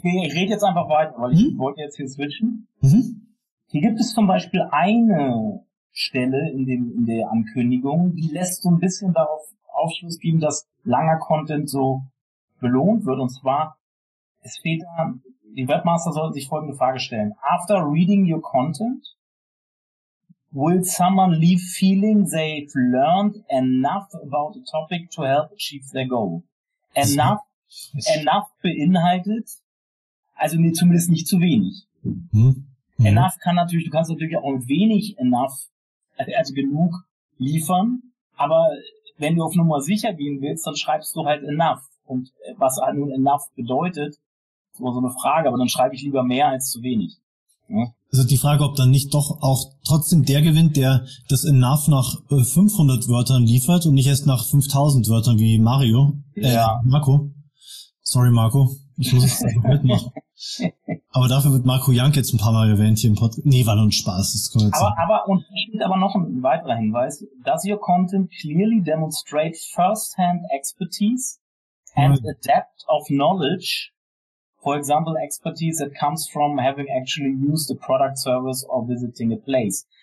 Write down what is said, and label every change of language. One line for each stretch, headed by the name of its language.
German: Ich rede jetzt einfach weiter, weil ich wollte jetzt hier switchen. Hier gibt es zum Beispiel eine Stelle in der Ankündigung, die lässt so ein bisschen darauf Aufschluss geben, dass langer Content so belohnt wird, und zwar: Es fehlt da, die Webmaster sollten sich folgende Frage stellen.
English: After reading your content, will someone leave feeling they've learned enough about the topic to help achieve their goal?
German: Enough beinhaltet, also nee, zumindest nicht zu wenig. Enough kann natürlich, du kannst natürlich auch wenig enough, also genug liefern, aber wenn du auf Nummer sicher gehen willst, dann schreibst du halt enough. Und was nun enough bedeutet, immer so eine Frage, aber dann schreibe ich lieber mehr als zu wenig. Ja? Also die Frage, ob dann nicht doch auch trotzdem der gewinnt, der das enough nach 500 Wörtern liefert und nicht erst nach 5000 Wörtern wie Mario. Ja. Marco. Sorry, Marco. Ich muss es einfach mitmachen. Aber dafür wird Marco Young jetzt ein paar Mal erwähnt hier im Podcast. Nee, war nur ein Spaß. Das kann man jetzt aber, und hier steht aber noch ein weiterer Hinweis.
English: Does your content clearly demonstrate first-hand expertise and a depth of knowledge? For example, expertise that comes from having actually used a product service or visiting a place.